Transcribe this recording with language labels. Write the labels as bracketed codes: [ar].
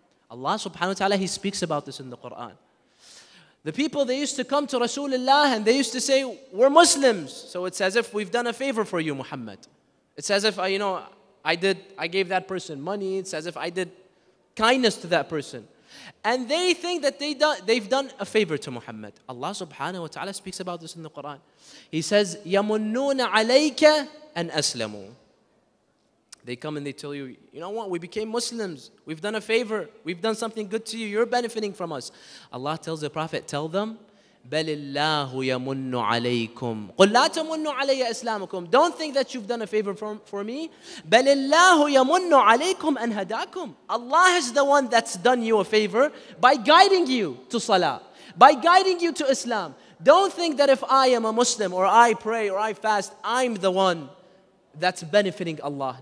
[en] Allah subhanahu wa ta'ala, He speaks about this in the Quran. The people, they used to come to Rasulullah and they used to say, we're Muslims. So it's as if we've done a favor for you, Muhammad. It's as if, you know, I gave that person money. It's as if I did kindness to that person. And they think that they've done a favor to Muhammad. Allah subhanahu wa ta'ala speaks about this in the Quran. He says, [ar] يَمُنُّونَ عَلَيْكَ أَنْ أَسْلَمُوا. [en] They come and they tell you, you know what, we became Muslims. We've done a favor. We've done something good to you. You're benefiting from us. Allah tells the Prophet, tell them, [ar] بَلِ اللَّهُ يَمُنُّ عَلَيْكُمْ قُلْ لَا تَمُنُّ عَلَيَّ أَسْلَامُكُمْ. [en] Don't think that you've done a favor for me. [ar] بَلِ اللَّهُ يَمُنُّ عَلَيْكُمْ أَنْ هَدَاكُمْ. [en] Allah is the one that's done you a favor by guiding you to salah, by guiding you to Islam. Don't think that if I am a Muslim or I pray or I fast, I'm the one that's benefiting Allah.